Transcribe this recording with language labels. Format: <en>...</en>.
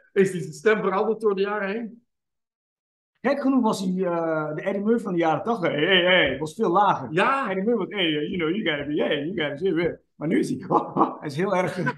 <nl>Is die stem veranderd door de jaren heen? Gek genoeg was hij de Eddie Murphy van de jaren 80. Hey, was veel lager. Ja!</nl> <en>Eddie Murphy was, hey, you know, you gotta be, hey, you gotta see it.</en> <nl>Maar nu is hij, hij is heel erg.</nl>